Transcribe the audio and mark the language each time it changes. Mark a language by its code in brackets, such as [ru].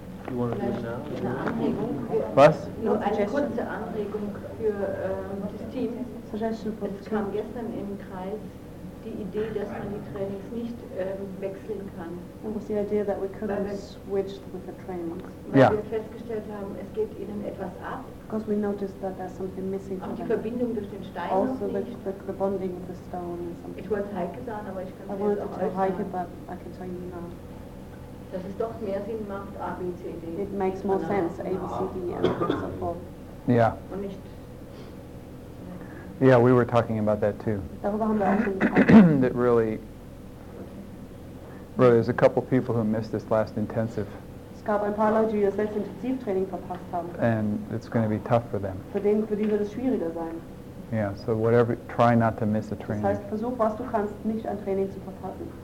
[en] You want to do it now? [de] Was? [en] No, a [de] kurze Anregung für das Team. [en] Suggestion for the team. [de] Es kam gestern im Kreis die Idee, dass man die Trainings nicht wechseln kann. [en] It was the idea that we could have switched with the trainings. Yeah. [de] Weil wir festgestellt haben, es geht ihnen etwas ab. [en] Because we noticed that there's something missing. [de] Auch die Verbindung durch den Stein. Also nicht. [en] The bonding of the stone and something. [de] Ich wollte Heike sagen, aber ich kann es auch [en] sagen. I wanted to Heike, but I can tell you now. [de] Dass es doch mehr Sinn macht, A, B, C, D. [en] It makes more sense, A, B, C, D and so forth. Yeah. [de] Und nicht. [en] Yeah, we were talking about that too. That really, really, there's a couple people who missed this last intensive. [de] Es gab ein paar Leute, die das letzte Intensivtraining verpasst haben. [en] And it's going to be tough for them. [de] Für die wird es schwieriger sein. [en] Yeah, so whatever, try not to miss a training. [de] Das heißt, versuch, was du kannst, nicht ein Training zu verpassen.